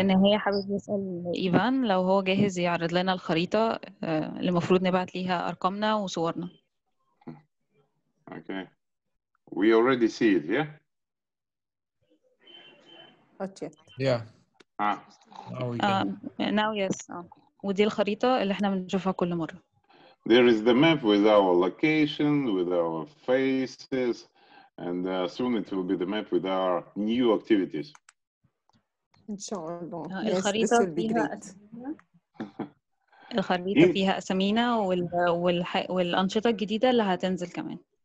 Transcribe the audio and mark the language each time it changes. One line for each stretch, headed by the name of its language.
Arabic: إن هي حابب يسأل إيفان لو هو جاهز يعرض لنا الخريطة اللي مفروض نبعت ليها أرقامنا وصورنا.
English: Okay. We already see it, yeah? Not yet. Yeah. Now yes.
Arabic: ودي الخريطة اللي احنا بنشوفها كل مرة.
English: There is the map with our location, with our faces. And soon it will be the map with our new activities.
Arabic: Inshallah.
English: Yes, this will be great.
Arabic: الخريطة فيها أسامينا والأنشطة الجديدة اللي هتنزل كمان.